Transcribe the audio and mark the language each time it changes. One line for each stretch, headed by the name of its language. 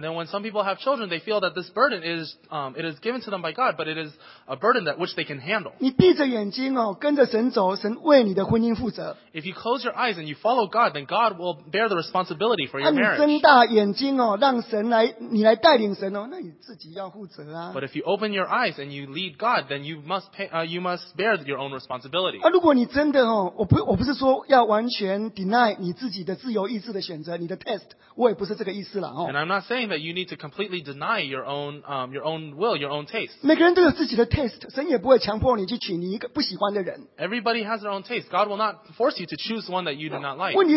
English: then when some people have children, they feel that this burden is, it is given to them by God, but it is a burden that which they can handle.
Chinese: 你闭着眼睛哦,跟着神走,神为你的婚姻负责。
English: If you close your eyes and you follow God, then God will bear the responsibility for your marriage.
Chinese: 睁大眼睛哦,让神来,你来带领神哦,那你自己要负责啊。
English: But if you open your eyes and you lead God, then you must pay, you must bear your own responsibility.
Chinese: 如果你真的哦,我不是说要完全 deny 你自己的自由意志的选择,你的 test,我也不是这个意思啦哦。
English: And I'm not saying that you need to completely deny your own will, your own taste.
Chinese: 每个人都有自己的 taste,神也不会强迫你去娶你一个不喜欢的人。
English: Everybody has their own taste. God will not force you to choose one that you do not like.